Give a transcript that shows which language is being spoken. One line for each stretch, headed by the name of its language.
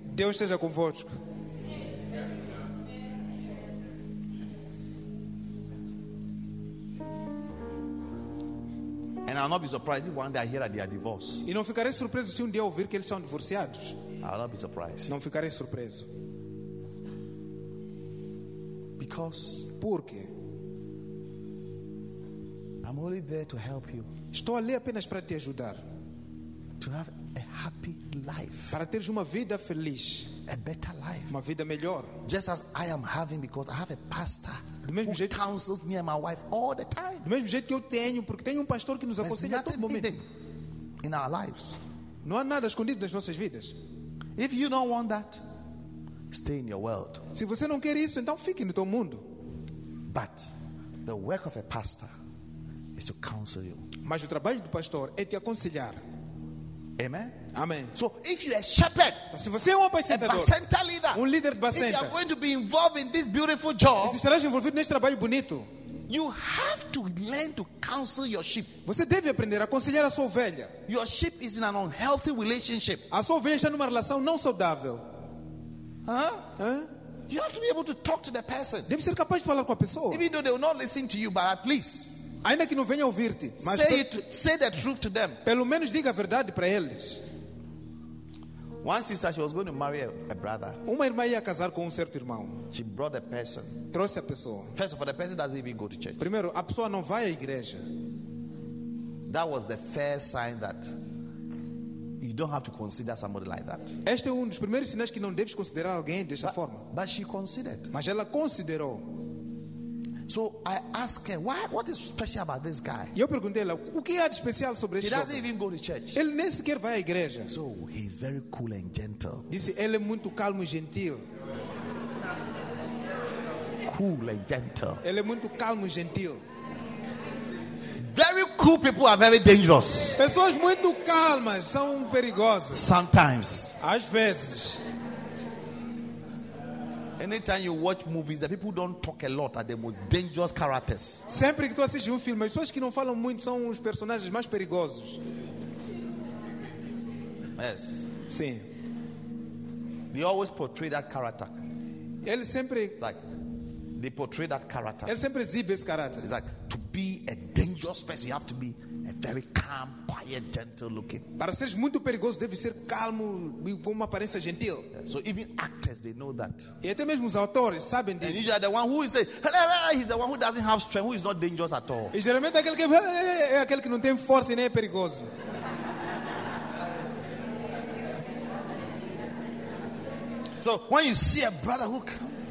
Portuguese: Deus esteja convosco.
English: And I'll not be surprised if one day I hear that they are divorced.
Portuguese: E não ficarei surpreso se um dia ouvir que eles são divorciados.
English: I'll not be surprised.
Portuguese: Não ficarei surpreso.
English: Because
Portuguese: porque
English: I'm only there to help you.
Portuguese: Estou ali apenas para te ajudar.
English: To have a happy life.
Portuguese: Para teres uma vida feliz.
English: A better life.
Portuguese: Uma vida melhor.
English: Just as I am having because I have a pastor.
Portuguese: Do mesmo
English: who
Portuguese: jeito,
English: counsels me and my wife all the time.
Portuguese: Do mesmo jeito que eu tenho, porque tenho pastor que nos aconselha a todo momento.
English: In our lives.
Portuguese: Não há nada escondido nas nossas vidas.
English: If you don't want that, stay in your world.
Portuguese: Se você não quer isso, então fique no teu mundo.
English: But the work of a pastor is to counsel you.
Portuguese: Mas o trabalho do pastor é te aconselhar.
English: Amen.
Portuguese: Amen.
English: So if you're a shepherd,
Portuguese: se você é um pastor,
English: a bacenta leader,
Portuguese: um líder de bacenta,
English: if you are going to be involved in this beautiful job,
Portuguese: se estarás envolvido neste trabalho bonito,
English: you have to learn to counsel your sheep.
Portuguese: Você deve aprender a aconselhar a sua ovelha.
English: Your sheep is in an unhealthy relationship.
Portuguese: A sua ovelha está numa relação não saudável.
English: You have to be able to talk to the person.
Portuguese: Deve ser capaz de falar com a pessoa.
English: Even though they will not listen to you, but at least,
Portuguese: ainda que não venha ouvir-te, mas
English: say the truth to them.
Portuguese: Pelo menos diga a verdade para eles.
English: One sister, she was going to marry a brother.
Portuguese: Uma irmã ia casar com um certo irmão.
English: She brought a person.
Portuguese: Trouxe a pessoa.
English: First of all, the person doesn't even go to church.
Portuguese: Primeiro, a pessoa não vai à igreja.
English: That was the first sign that you don't have to consider somebody like that.
Portuguese: Este é um dos primeiros sinais que não deves considerar alguém dessa forma.
English: But she considered.
Portuguese: Mas ela considerou.
English: So I asked her, what is special about this guy?
Portuguese: Eu perguntei ela, o que há de especial sobre este homem?
English: He doesn't even go to church.
Portuguese: Ele nem sequer vai à igreja.
English: So he is very cool and gentle.
Portuguese: Disse, ele é muito calmo e gentil.
English: Cool and gentle.
Portuguese: Ele é muito calmo e gentil.
English: Very cool people are very dangerous.
Portuguese: Pessoas muito calmas são perigosas.
English: Sometimes.
Portuguese: Às vezes.
English: Anytime you watch movies, the people who don't talk a lot are the most dangerous characters.
Portuguese: Sempre que tu assiste filme, as pessoas que não falam muito são os personagens mais perigosos.
English: Yes.
Portuguese: Sim.
English: They always portray that character.
Portuguese: Ele sempre.
English: It's like they portray that character.
Portuguese: Ele sempre exibe esse caráter.
English: It's like to be a dangerous person, you have to be a very calm, quiet, gentle looking.
Portuguese: Para seres muito perigoso, deve ser calmo e com uma aparência gentil.
English: So even actors, they know that.
Portuguese: E até mesmo os autores sabem disso.
English: And you are the one who is he's the one who doesn't have strength, who is not dangerous at all.
Portuguese: E geralmente aquele que é aquele que não tem força e nem é perigoso.
English: So when you see a brother who comes,